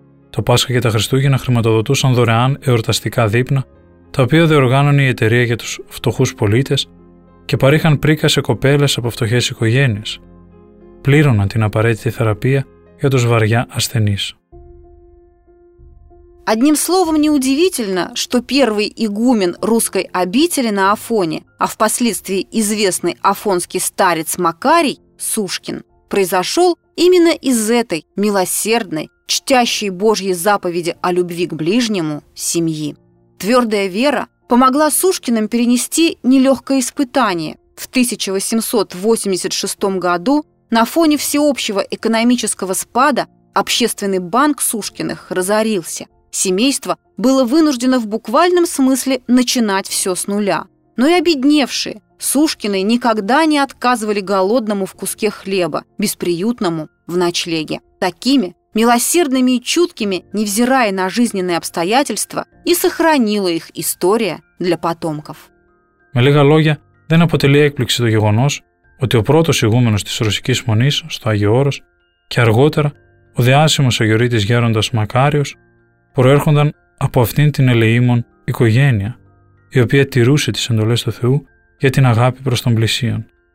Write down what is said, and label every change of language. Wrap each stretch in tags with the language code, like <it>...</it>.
<el>το Πάσχα και τα Χριστούγεννα χρηματοδοτούσαν δωρεάν εορταστικά δείπνα, τα οποία διοργάνωνε η εταιρεία για τους φτωχούς πολίτες και παρήχαν πρίκα σε κοπέλες από φτωχές οικογένειες. Πλήρωναν την απαραίτητη θεραπεία για τους βαριά ασθενείς.</el> <ru>Одним словом, неудивительно, что первый игумен русской обители на Афоне, а впоследствии известный афонский старец Макарий Сушкин, произошел именно из этой милосердной, чтящей Божьи заповеди о любви к ближнему, семьи. Твердая вера помогла Сушкиным перенести нелегкое испытание. В 1886 году на фоне всеобщего экономического спада общественный банк Сушкиных разорился. Семейство было вынуждено в буквальном смысле начинать все с нуля. Но и обедневшие Сушкины никогда не отказывали голодному в куске хлеба, бесприютному в ночлеге. Такими, милосердными и чуткими, невзирая на жизненные обстоятельства, и сохранила их история для потомков.</ru> <el>Με λίγα λόγια, δεν αποτελεί έκπληξη το γεγονός ότι ο πρώτος ηγούμενος της Ρωσικής Μονής στο Άγιο Όρος και αργότερα ο διάσημος αγιορείτης Γέροντας Μακάριος προέρχονταν από αυτήν την ελεήμων οικογένεια, η οποία τηρούσε τις εντολές του Θεού για την αγάπη προς τον πλησίον.</el>